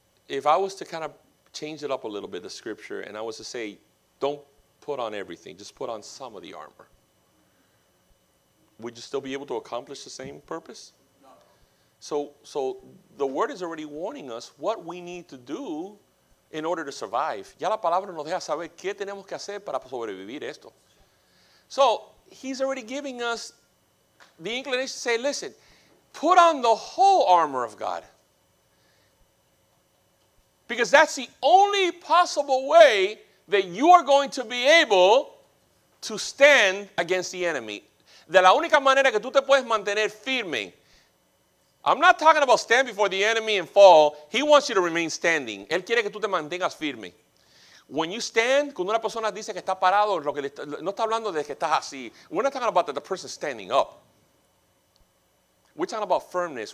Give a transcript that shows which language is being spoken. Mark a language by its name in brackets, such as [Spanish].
[English] If I was to kind of change it up a little bit, the scripture, and I was to say, don't put on everything, just put on some of the armor, would you still be able to accomplish the same purpose? No. So the word is already warning us what we need to do in order to survive. [Spanish] Ya la palabra nos deja saber qué tenemos que hacer para sobrevivir esto. [English] So, he's already giving us the inclination to say, listen, put on the whole armor of God. Because that's the only possible way that you are going to be able to stand against the enemy. [Spanish] De la única manera que tú te puedes mantener firme. [English] I'm not talking about stand before the enemy and fall. He wants you to remain standing. [Spanish] Él quiere que tú te mantengas firme. [English] When you stand, [Spanish] cuando una persona dice que está parado, lo que le está, no está hablando de que estás así. [English] We're not talking about that the person standing up. We're talking about firmness.